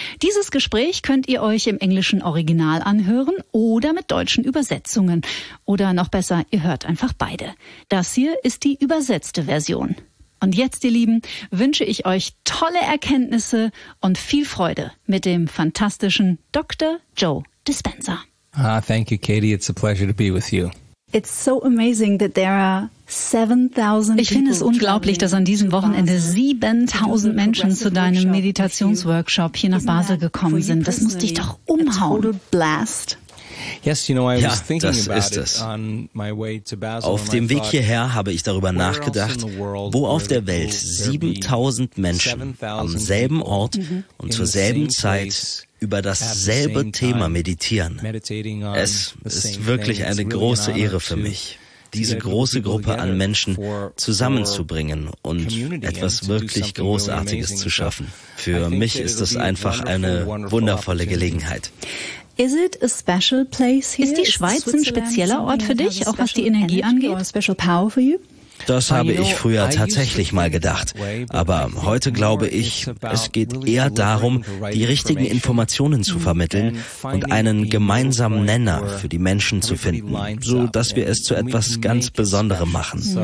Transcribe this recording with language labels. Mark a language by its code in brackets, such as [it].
[de] Dieses Gespräch könnt ihr euch im englischen Original anhören oder mit deutschen Übersetzungen. Oder noch besser, ihr hört einfach beide. Das hier ist die übersetzte Version. Und jetzt, ihr Lieben, wünsche ich euch tolle Erkenntnisse und viel Freude mit dem fantastischen Dr. Joe Dispenza. [en] Ah, thank you, Katie. It's a pleasure to be with you. It's so amazing that there are 7,000. [de] Ich finde es unglaublich, dass an diesem Wochenende 7,000 Menschen zu deinem Meditationsworkshop hier nach Basel gekommen sind. Das muss dich doch umhauen. [en] Total blast. Yes, you know, I was thinking about it on my way to Basel. [de] Auf dem Weg hierher habe ich darüber nachgedacht, wo auf der Welt 7,000 Menschen am selben Ort und zur selben Zeit über dasselbe Thema meditieren. Es ist wirklich eine große Ehre für mich. diese große Gruppe an Menschen zusammenzubringen und etwas wirklich Großartiges zu schaffen. Für mich ist das einfach eine wundervolle Gelegenheit. [en] Is it a special place here? [de] Ist die Schweiz ein spezieller Ort für dich, auch was die Energie angeht? [en] A special power for you? [de] Das habe ich früher tatsächlich mal gedacht. Aber heute glaube ich, es geht eher darum, die richtigen Informationen zu vermitteln und einen gemeinsamen Nenner für die Menschen zu finden, so dass wir es zu etwas ganz Besonderem machen.